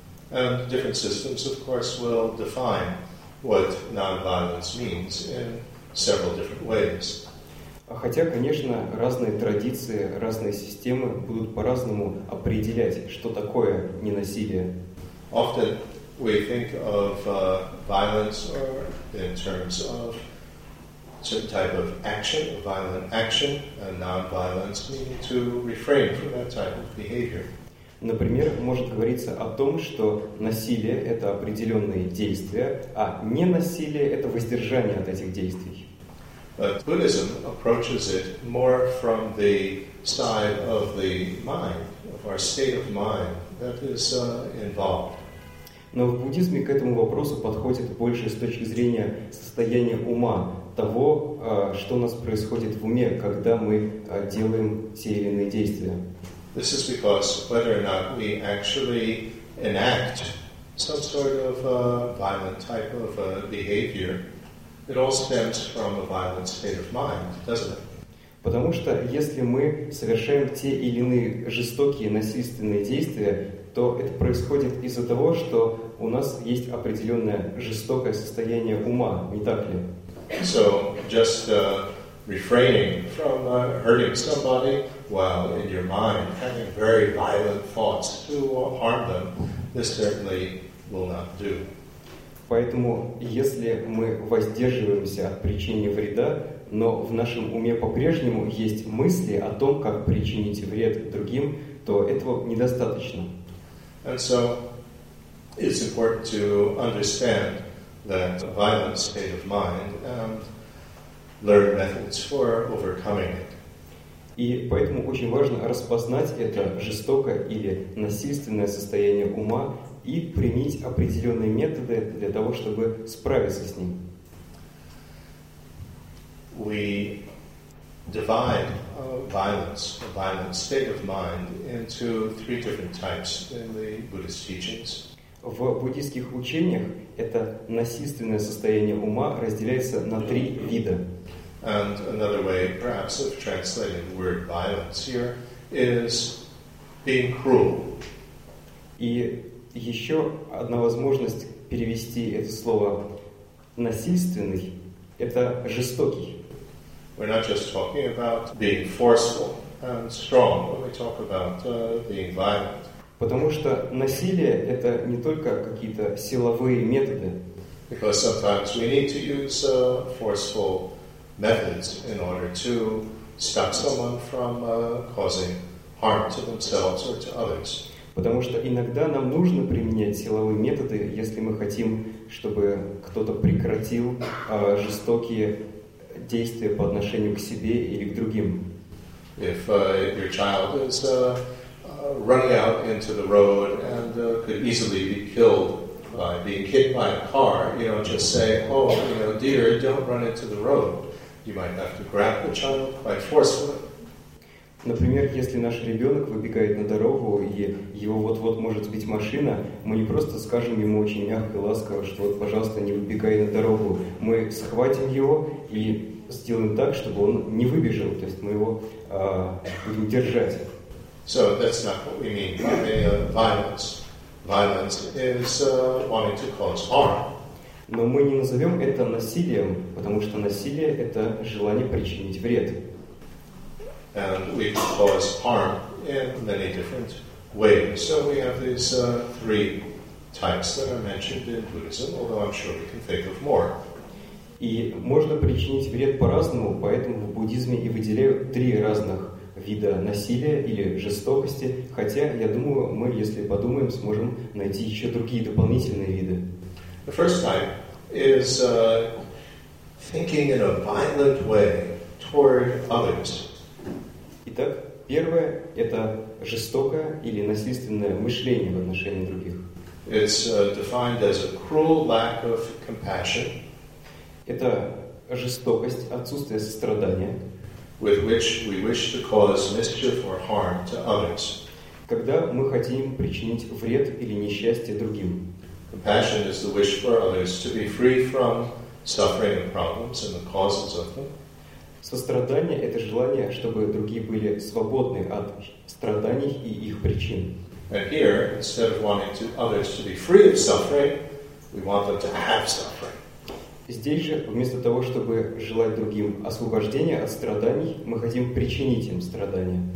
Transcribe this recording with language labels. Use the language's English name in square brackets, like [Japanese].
[English] And different systems, of course, will define what non-violence means in several different ways. [Russian] Хотя, конечно, разные традиции, разные системы будут по-разному определять, что такое ненасилие. [English] Often we think of violence or in terms of certain type of action, a violent action, and non-violence meaning to refrain from that type of behavior. [Russian] Например, может говориться о том, что насилие – это определенные действия, а ненасилие – это воздержание от этих действий. [English] But Buddhism approaches it more from the side of the mind, of our state of mind that is involved. [Russian] Но в буддизме к этому вопросу подходит больше с точки зрения состояния ума, того, что у нас происходит в уме, когда мы делаем те или иные действия. [English] This is because whether or not we actually enact some sort of violent type of behavior, it all stems from a violent state of mind, doesn't it? [Russian] Потому что если мы совершаем те или иные жестокие насильственные действия, то это происходит из-за того, что у нас есть определенное жестокое состояние ума, не так ли? [English] So just refraining from hurting somebody while in your mind having very violent thoughts to harm them, this certainly will not do. [Russian] Поэтому, если мы воздерживаемся от причинения вреда, но в нашем уме по-прежнему есть мысли о том, как причинить вред другим, то этого недостаточно. [English] And so it's important to understand that violent state of mind and learn methods for overcoming it. [Russian] И поэтому очень важно распознать это жестокое или насильственное состояние ума и применить определенные методы для того, чтобы справиться с ним. [English] We divide violent state of mind into three different types in the Buddhist teachings. [Russian] В буддийских учениях это насильственное состояние ума разделяется на три вида. [English] And another way, perhaps, of translating the word violence here is being cruel. [Russian] И еще одна возможность перевести это слово насильственный – это жестокий. [English] We're not just talking about being forceful and strong when we talk about being violent. [Russian] Потому что насилие – это не только какие-то силовые методы. [English] Because sometimes we need to use forceful methods in order to stop someone from causing harm to themselves or to others. [Russian] Потому что иногда нам нужно применять силовые методы, если мы хотим, чтобы кто-то прекратил жестокие действия по отношению к себе или к другим. [English] If your child is running out into the road and could easily be killed by being hit by a car, you know, just say, oh, you know, dear, don't run into the road. You might have to grab the child by forcefully. [Russian] Например, если наш ребенок выбегает на дорогу, и его вот-вот может сбить машина, мы не просто скажем ему очень мягко и ласково, что вот, пожалуйста, не выбегай на дорогу. Мы схватим его и сделаем так, чтобы он не выбежал. То есть мы его будем держать. [English] So that's not what we mean by violence. Violence is wanting to cause harm. [Russian] Но мы не назовем это насилием, потому что насилие – это желание причинить вред. [English] And we cause harm in many different ways. So we have these three types that are mentioned in Buddhism, although I'm sure we can think of more. [Russian] И можно причинить вред по-разному, поэтому в буддизме и выделяют три разных вида насилия или жестокости, хотя, я думаю, мы, если подумаем, сможем найти еще другие дополнительные виды. [English] The first type is thinking in a violent way toward others. [Russian] Итак, первое – это жестокое или насильственное мышление в отношении других. [English] It's defined as a cruel lack of compassion. [Russian] Это жестокость, отсутствие сострадания. [English] With which we wish to cause mischief or harm to others. [Russian] Когда мы хотим причинить вред или несчастье другим. [English] Compassion is the wish for others to be free from suffering and problems and the causes of them. [Russian] Сострадание – это желание, чтобы другие были свободны от страданий и их причин. [English] And here, instead of wanting others to be free of suffering, we want them to have suffering. [Russian] Здесь же, вместо того, чтобы желать другим освобождения от страданий, мы хотим причинить им страдания.